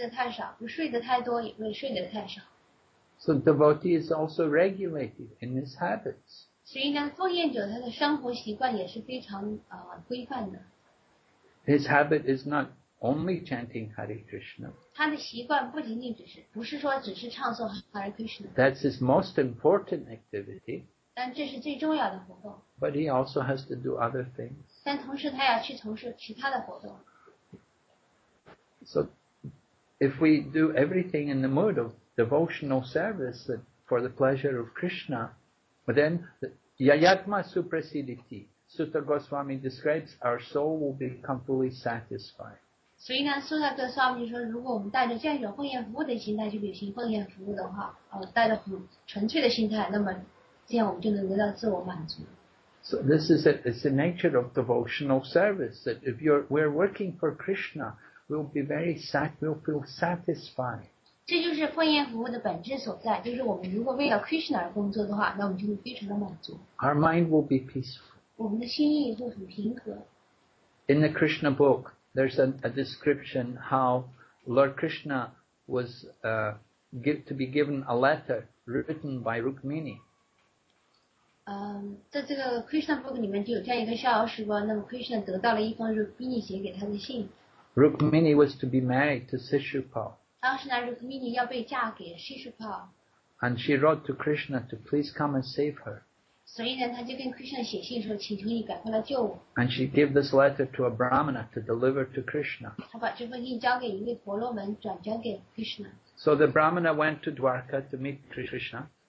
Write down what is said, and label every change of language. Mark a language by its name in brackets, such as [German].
[Chinese] 就是一个瑜伽士不会吃得太多，也不会吃得太少，不睡得太多，也不会睡得太少。 [English] So devotee is also regulated in his habits. [Chinese] 所以呢，奉献者他的生活习惯也是非常规范的。 [English] His habit is not only chanting Hare Krishna. [Chinese] 他的习惯不仅仅只是唱诵 Hare Krishna. [English] That's his most important activity. [Chinese] 但这是最重要的活动。 [English] But he also has to do other things. [Chinese] 但同时他要去从事其他的活动。 [English] So if we do everything in the mood of devotional service for the pleasure of Krishna, then [Sanskrit] yayatma supraciditi. [English] Sutta Goswami describes our soul will become fully satisfied. [Chinese] 所以呢，Sutta Goswami说，如果我们带着这样一种奉献服务的心态去履行奉献服务的话，带着很纯粹的心态，那么这样我们就能得到自我满足。 [English] So this is it. It's the nature of devotional service that if we're working for Krishna, we'll feel satisfied. [Chinese] 这就是奉献服务的本质所在，就是我们如果为了 Krishna 而工作的话，那我们就会非常的满足。 [English] Our mind will be peaceful. [Chinese] 我们的心意会很平和。 [English] In the Krishna book, There's a description how Lord Krishna was to be given a letter written by Rukmini. [Chinese] 在这个 Krishna book 里面就有这样一个逍遥时光，那么 Krishna 得到了一封 Rukmini 写给他的信。 [English] Rukmini was to be married to Shishupal. [Chinese] 当时呢 Rukmini 要被嫁给 Shishupal. [English] And she wrote to Krishna to please come and save her. [Chinese] 所以呢，她就跟 Krishna 写信说，请求你赶快来救我。 [English] And she gave this letter to a Brahmana to deliver to Krishna. [Chinese] 她把这封信交给一位婆罗门，转交给 Krishna. [English] So the Brahmana went to Dwarka to meet Krishna.